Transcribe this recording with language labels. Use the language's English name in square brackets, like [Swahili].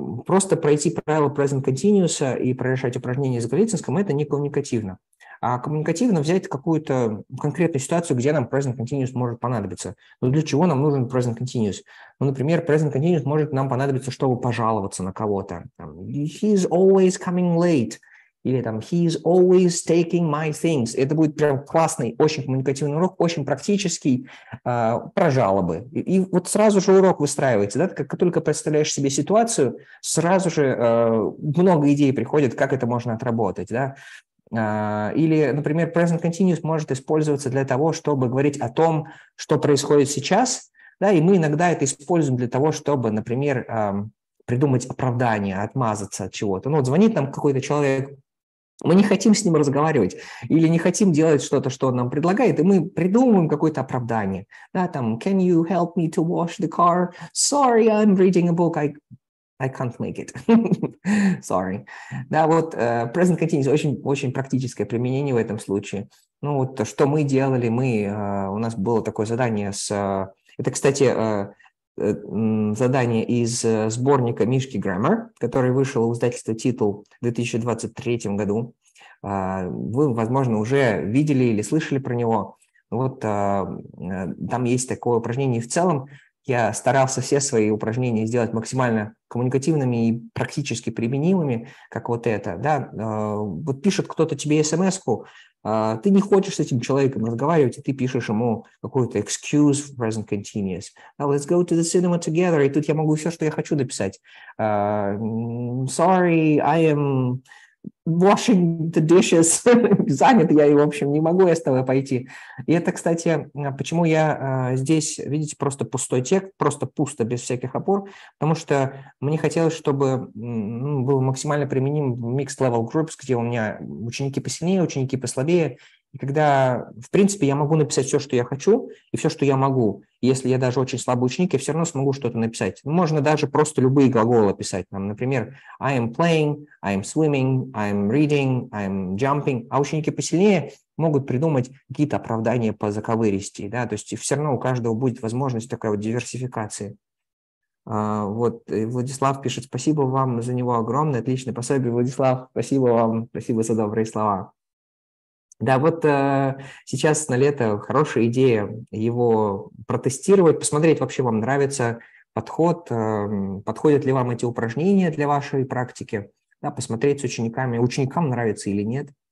[Russian] Просто пройти правила present continuous и прорешать упражнение с Голицынским – это не коммуникативно. А коммуникативно взять какую-то конкретную ситуацию, где нам present continuous может понадобиться. Ну, для чего нам нужен present continuous? Ну, например, present continuous может нам понадобиться, чтобы пожаловаться на кого-то. [English] He's always coming late. [Russian] Или там [English] «He is always taking my things». [Russian] Это будет прям классный, очень коммуникативный урок, очень практический, про жалобы. И вот сразу же урок выстраивается, да? Как только представляешь себе ситуацию, сразу же много идей приходит, как это можно отработать, да? Или, например, present continuous может использоваться для того, чтобы говорить о том, что происходит сейчас, Да, и мы иногда это используем для того, чтобы, например, придумать оправдание, отмазаться от чего-то. Ну, вот звонит нам какой-то человек, мы не хотим с ним разговаривать или не хотим делать что-то, что он нам предлагает, и мы придумываем какое-то оправдание. Да, там, [English] can you help me to wash the car? Sorry, I'm reading a book. I can't make it. Sorry. [Russian] Да, вот present continuous очень, очень практическое применение в этом случае. Ну, вот что мы делали, мы, у нас было такое задание с... Это, кстати, задание из сборника Мишки Grammar, который вышел у издательства «Титул» в 2023 году. Вы, возможно, уже видели или слышали про него. Вот там есть такое упражнение. И в целом я старался все свои упражнения сделать максимально коммуникативными и практически применимыми, как вот это. Да? Вот пишет кто-то тебе смс-ку, ты не хочешь с этим человеком разговаривать, и ты пишешь ему какую-то [English] excuse for present continuous. Now let's go to the cinema together, [Russian] и тут я могу все, что я хочу, написать. [English] Sorry, I am washing the dishes. [Russian] Занят я, и, в общем, не могу я с тобой пойти. И это, кстати, почему я здесь, видите, просто пустой текст, просто пусто, без всяких опор, потому что мне хотелось, чтобы был максимально применим в [English] mixed level groups, [Russian] где у меня ученики посильнее, ученики послабее, и когда, в принципе, я могу написать все, что я хочу, и все, что я могу, если я даже очень слабый ученик, я все равно смогу что-то написать. Можно даже просто любые глаголы писать. Там, например, [English] I am playing, I am swimming, I am reading, I am jumping. [Russian] А ученики посильнее могут придумать какие-то оправдания по заковырести. Да? То есть все равно у каждого будет возможность такой вот диверсификации. Вот Владислав пишет, спасибо вам за него огромное, отличное пособие, Владислав. Спасибо вам, спасибо за добрые слова. Да, вот сейчас на лето хорошая идея его протестировать, посмотреть, вообще вам нравится подход, подходят ли вам эти упражнения для вашей практики, да, посмотреть с учениками, ученикам нравится или нет.